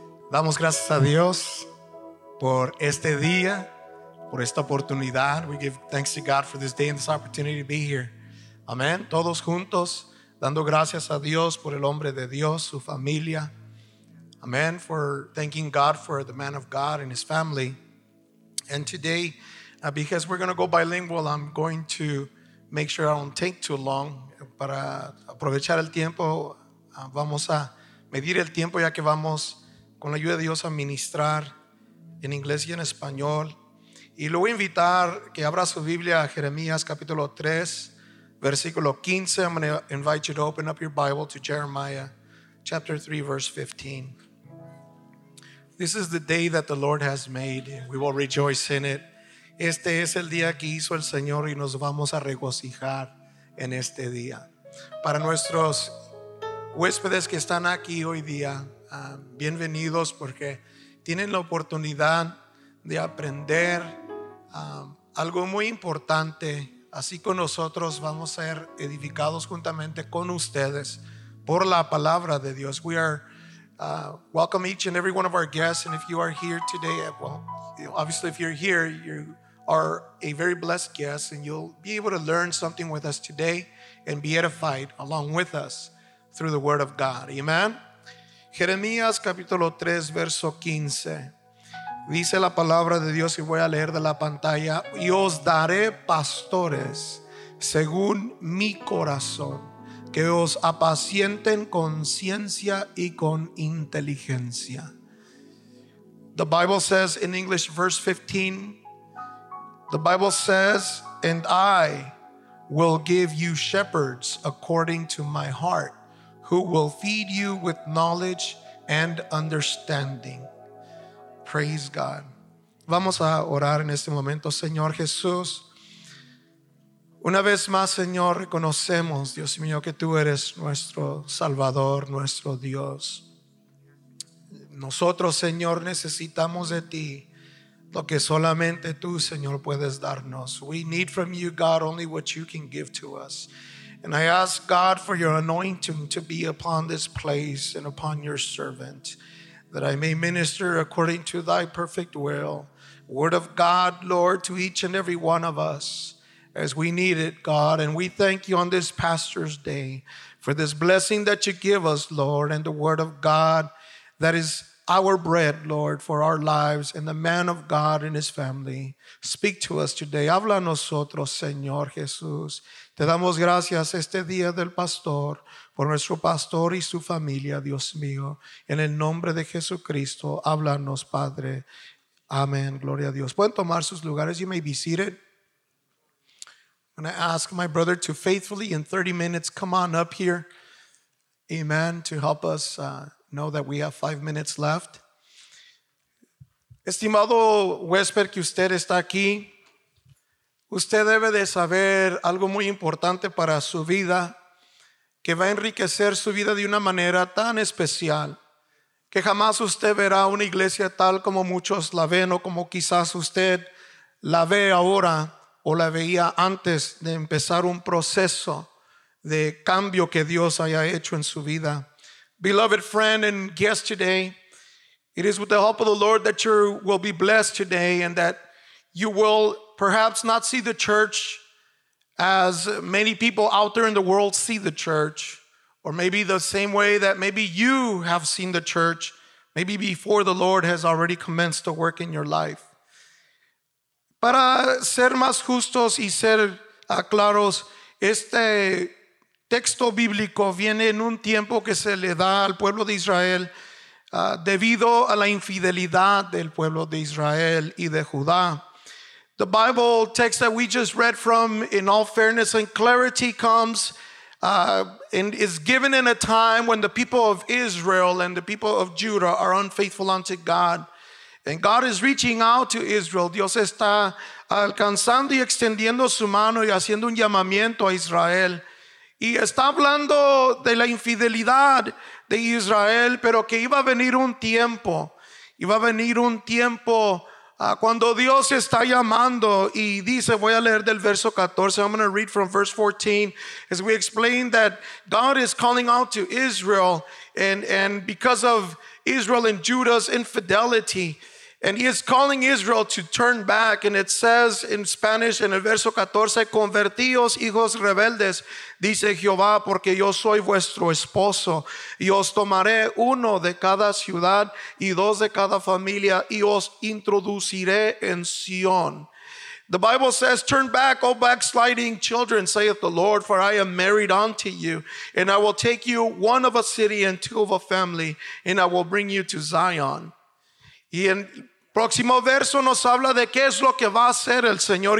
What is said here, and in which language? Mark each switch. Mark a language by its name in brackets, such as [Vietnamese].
[Spanish] Damos gracias a Dios por este día, por esta oportunidad. [English] We give thanks to God for this day and this opportunity to be here. Amen. [Spanish] Todos juntos, dando gracias a Dios por el hombre de Dios, su familia. Amen. [English] For thanking God for the man of God and his family. And today, because we're going to go bilingual, I'm going to make sure I don't take too long. [Spanish] Para aprovechar el tiempo, vamos a medir el tiempo ya que vamos con la ayuda de Dios a ministrar en inglés y en español. Y lo voy a invitar que abra su Biblia a Jeremías capítulo 3, versículo 15. [English] I'm going to invite you to open up your Bible to Jeremiah chapter 3, verse 15. This is the day that the Lord has made. We will rejoice in it. [Spanish] Este es el día que hizo el Señor y nos vamos a regocijar en este día. Para nuestros huéspedes que están aquí hoy día, bienvenidos porque tienen la oportunidad de aprender algo muy importante. Así con nosotros vamos a ser edificados juntamente con ustedes por la palabra de Dios. [English] We are welcome each and every one of our guests, and if you are here today, well, obviously if you're here, you are a very blessed guest, and you'll be able to learn something with us today and be edified along with us through the word of God. Amen. [Spanish] Jeremías capítulo 3 verso 15 dice la palabra de Dios, y voy a leer de la pantalla: y os daré pastores según mi corazón, que os apacienten con ciencia y con inteligencia. [English] The Bible says in English, verse 15, the Bible says, and I will give you shepherds according to my heart, who will feed you with knowledge and understanding. Praise God. [Spanish] Vamos a orar en este momento. Señor Jesús, una vez más, Señor, reconocemos, Dios mío, que tú eres nuestro Salvador, nuestro Dios. Nosotros, Señor, necesitamos de ti lo que solamente tú, Señor, puedes darnos. [English] We need from you, God, only what you can give to us. And I ask God for your anointing to be upon this place and upon your servant, that I may minister according to thy perfect will. Word of God, Lord, to each and every one of us as we need it, God. And we thank you on this Pastor's Day for this blessing that you give us, Lord, and the word of God that is our bread, Lord, for our lives, and the man of God and his family. Speak to us today. [Spanish] Habla a nosotros, Señor Jesús. Te damos gracias este día del pastor, por nuestro pastor y su familia, Dios mío. En el nombre de Jesucristo, háblanos, Padre. Amén. Gloria a Dios. Pueden tomar sus lugares. [English] You may be seated. I'm going to ask my brother to faithfully in 30 minutes come on up here. Amen. To help us know that we have 5 minutes left. [Spanish] Estimado huésped que usted está aquí, usted debe de saber algo muy importante para su vida que va a enriquecer su vida de una manera tan especial que jamás usted verá una iglesia tal como muchos la ven o como quizás usted la ve ahora o la veía antes de empezar un proceso de cambio que Dios haya hecho en su vida. [English] Beloved friend and guest today, it is with the help of the Lord that you will be blessed today and that you will perhaps not see the church as many people out there in the world see the church, or maybe the same way that maybe you have seen the church, maybe before the Lord has already commenced to work in your life. [Spanish] Para ser más justos y ser claros, este texto bíblico viene en un tiempo que se le da al pueblo de Israel debido a la infidelidad del pueblo de Israel y de Judá. [English] The Bible text that we just read from, in all fairness and clarity, comes and is given in a time when the people of Israel and the people of Judah are unfaithful unto God. And God is reaching out to Israel. [Spanish] Dios está alcanzando y extendiendo su mano y haciendo un llamamiento a Israel. Y está hablando de la infidelidad de Israel, pero que iba a venir un tiempo. Iba a venir un tiempo Cuando Dios está llamando y dice, voy a leer del verso 14, [English] I'm going to read from verse 14, as we explain that God is calling out to Israel, and because of Israel and Judah's infidelity, and he is calling Israel to turn back, and it says in Spanish, in [Spanish] el verso 14, convertíos hijos rebeldes, dice Jehová, porque yo soy vuestro esposo, y os tomaré uno de cada ciudad, y dos de cada familia, y os introduciré en Sion. [English] The Bible says, turn back, O backsliding children, saith the Lord, for I am married unto you, and I will take you one of a city and two of a family, and I will bring you to Zion. [Spanish] Y en próximo verso nos habla de qué es lo que va a hacer el Señor.